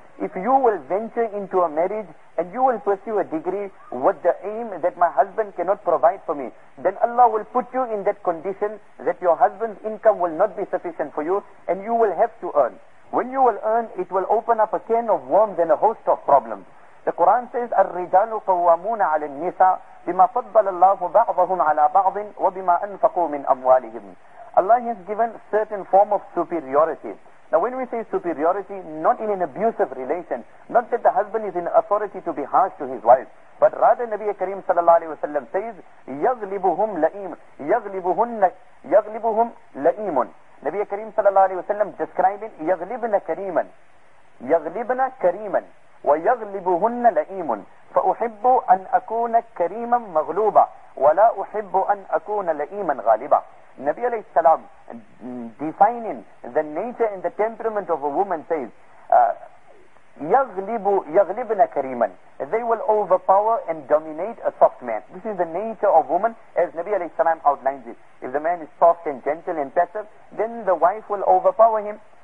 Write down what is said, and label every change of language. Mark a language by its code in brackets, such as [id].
[en] If you will venture into a marriage and you will pursue a degree with the aim that my husband cannot provide for me, then Allah will put you in that condition that your husband's income will not be sufficient for you and you will have to earn. When you will earn, it will open up a can of worms and a host of problems. The Quran says, [ar] الرِّجَالُ قَوَّامُونَ عَلَى النِّسَى بِمَا فَضَّلَ اللَّهُ بَعْضَهُمْ عَلَى بَعْضٍ وَبِمَا أَنفَقُوا مِنْ أَمْوَالِهِمْ. [en] Allah has given certain form of superiority. Now when we say superiority, not in an abusive relation, not that the husband is in authority to be harsh to his wife, but rather Nabi Kareem sallallahu alayhi wa sallam says, [ar] يَغْلِبُهُمْ لَئِيمٌ يَغْلِبُهُمْ لَئِيمٌ. [en] Nabi Kareem sallallahu alayhi wa sallam describing [ar] يَغْلِبْنَ كَرِيمًا يَغْلِبْنَ كَرِيمًا وَيَغْلِبُهُنَّ لَئِيمٌ فَأُحِبُّ أَنْ أَكُونَ كَرِيمًا مَغْلُوبًا وَلَا أُحِبُّ أَنْ أَكُونَ لَئِيمًا غَالِبًا. [en] Nabi alayhi salam defining the nature and the temperament of a woman says [ar] يَغْلِبْنَ كَرِيمًا. [en] They will overpower and dominate a soft man. This is the nature of woman as Nabi alayhi salam outlines it. If the man is soft and gentle and passive, then the wife will overpower him.